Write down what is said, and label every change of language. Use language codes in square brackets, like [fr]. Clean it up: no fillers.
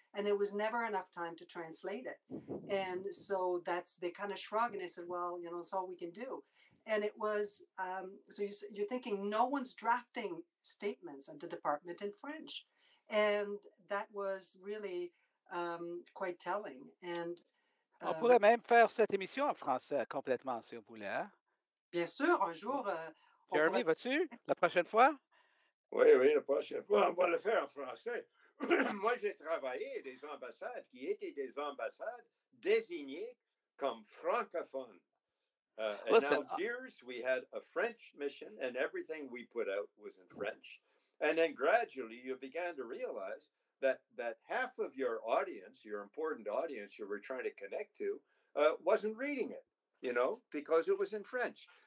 [en] And it was never enough time to translate it. And so they kind of shrugged and they said, well, you know, that's all we can do. And it was, so you're thinking no one's drafting statements at the department in French. And that was really quite telling. And [fr] on pourrait même faire cette émission en français complètement, si on voulait. Bien sûr, un jour. Jeremy, vas-tu la prochaine fois? Oui, la prochaine fois, on va le faire en français. Moi, j'ai travaillé des ambassades qui étaient des ambassades désignées comme francophones. [en] Listen, and now, years, we had a French mission, and everything we put out was in French. And then gradually, you began to realize that half of your audience, your important audience you were trying to connect to, wasn't reading it, you know, because it was in French.